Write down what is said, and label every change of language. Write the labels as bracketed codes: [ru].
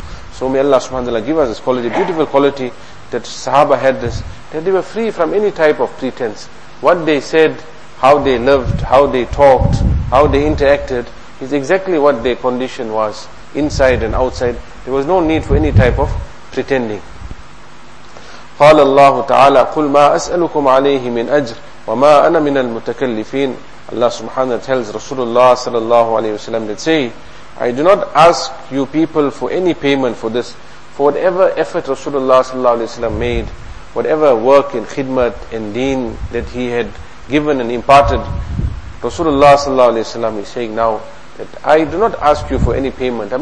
[en] So may Allah subhanahu wa ta'ala give us this quality, beautiful quality that Sahaba had this, that they were free from any type of pretense. What they said, how they lived, how they talked, how they interacted, is exactly what their condition was, inside and outside. There was no need for any type of pretending. [ar] قال الله تعالى قل ما أسألكم عليه من أجر وما أنا من المتكلفين. [en] Allah subhanahu wa ta'ala tells Rasulullah sallallahu alayhi wa sallam that say, I do not ask you people for any payment for this. For whatever effort Rasulullah sallallahu alayhi wa sallam made, whatever work in khidmat and deen that he had given and imparted, Rasulullah sallallahu alayhi wa sallam is saying now that I do not ask you for any payment.